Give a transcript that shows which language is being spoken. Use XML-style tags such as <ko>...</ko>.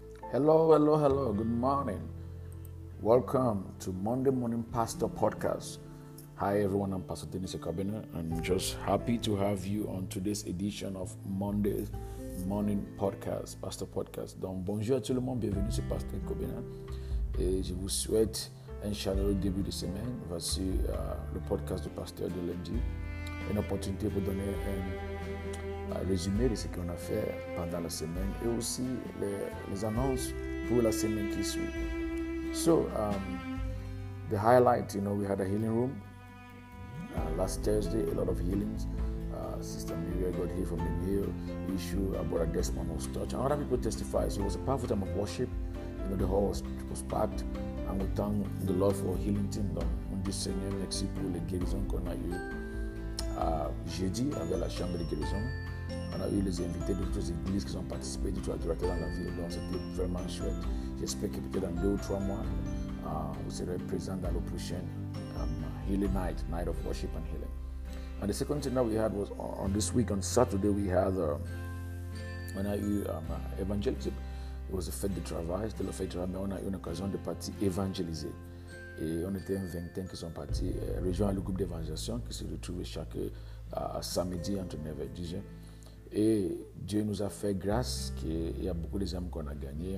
<en>Hello, hello, hello. Good morning. Welcome to Monday Morning Pastor Podcast. Hi, everyone. I'm Pastor Dennis Ekabina. I'm just happy to have you on today's edition of Monday Morning Podcast, Pastor Podcast.</en> <fr>Donc, bonjour à tout le monde. Bienvenue, c'est Pastor Ekabina. Et je vous souhaite un chaleureux début de semaine. Voici le podcast du pasteur de lundi. Une opportunité pour donner un résumé de ce qu'on a fait pendant la semaine et aussi les annonces pour la semaine qui suit.</fr> <en>So, the highlight, you know, we had a healing room last Thursday, a lot of healings. Sister Maria got healed from the nail issue, about a Desmond was touched. And other people testified, so it was a powerful time of worship. You know, the hall was packed. And we thank the Lord for healing team.</en> <fr>Donc, on dit Seigneur, merci pour les guérisons qu'on a eues. Jeudi, avec la chambre de guérison, on a eu les invités de toutes les églises qui ont participé du tour directeur dans la ville. Donc, c'était vraiment chouette. J'espère que peut-être dans 2 ou 3 mois, vous serez présents dans le prochain Healing Night, Night of Worship and Healing.</fr> <en>And the second thing that we had was on this week, on Saturday, we had</en> <fr>on a eu</fr> <en>Evangelism. It was a</en> <fr>fête de travail, c'était la fête de travail, mais on a eu une occasion de partir évangéliser. Et on était un vingtain qui sont partis rejoindre le groupe d'évangélisation qui se retrouve chaque samedi entre 9 et 10. Et Dieu nous a fait grâce qu'il y a beaucoup d'âmes qu'on a gagnées.</fr>